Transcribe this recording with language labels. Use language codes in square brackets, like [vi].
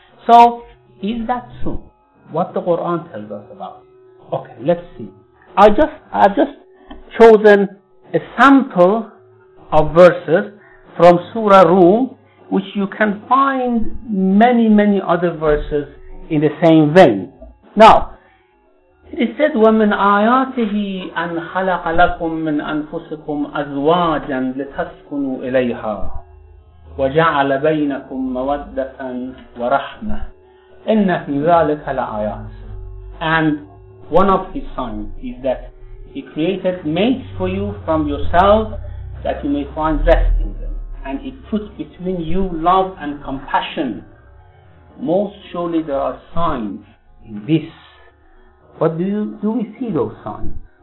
[en] So, is that true? What the Quran tells us about? Okay, let's see. I've just chosen a sample of verses from Surah Rum, which you can find many, many other verses in the same vein. Now, it is said, [ar] وَمِنْ آيَاتِهِ أَنْ خَلَقَ لَكُمْ مِنْ أَنْفُسِكُمْ أَزْوَاجًا لِتَسْكُنُوا إِلَيْهَا وَجَعَلَ بَيْنَكُمْ مَوَدَّةً وَرَحْمَةً إِنَّ فِي ذَلِكَ لَآيَاتٍ. [en] And one of his signs is that he created mates for you from yourself that you may find rest in them. And he puts between you love and compassion. Most surely there are signs in this. But do we see those signs?